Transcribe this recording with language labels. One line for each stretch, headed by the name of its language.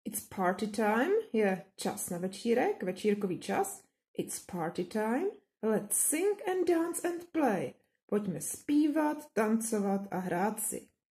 English: Party time,
Czech: je čas na večírek, večírkový čas.
English: It's party time, let's sing and dance and play.
Czech: Pojďme zpívat, tancovat a hrát si.